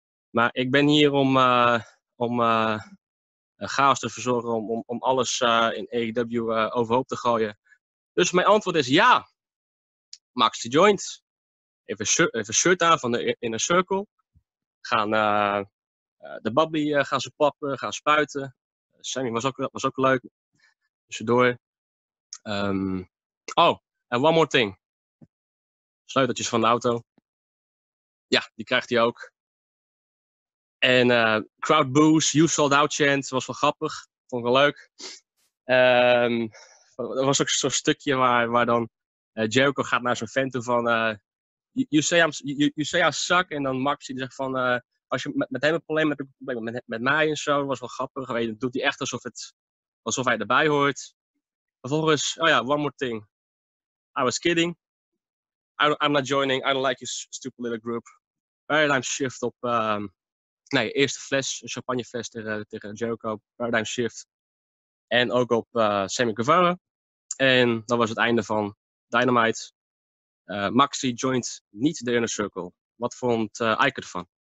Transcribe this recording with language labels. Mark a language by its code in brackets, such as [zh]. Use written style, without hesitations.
[nl] Maar ik ben hier om chaos te verzorgen, om alles in AEW overhoop te gooien. Dus mijn antwoord is ja. Maxi joint, even shirt aan van de Inner Circle, gaan de Bobby gaan ze pappen, gaan spuiten. Sammy was ook leuk, dus door. En [en] one more thing, [nl] sleuteltjes van de auto, ja, die krijgt hij ook. En crowd boos, [en] you sold out chant, [nl] was wel grappig, vond ik wel leuk. Er was ook zo'n stukje waar dan Jericho gaat naar zijn fan toe van, [en] you say I suck, [nl] en dan Maxi zegt van, als je met hem een probleem hebt, heb je een probleem met mij en zo. Dat was wel grappig, weet je, doet hij echt alsof hij erbij hoort. Vervolgens, oh ja, [en] one more thing, I was kidding, I'm not joining, I don't like your stupid little group. [nl] Paradigm shift op, eerste fles, een champagnefles tegen Jericho, paradigm shift, en ook op Sammy Guevara, en dat was het einde van Dynamite. Maxi joint niet de Inner Circle. Wat vond Eike ervan?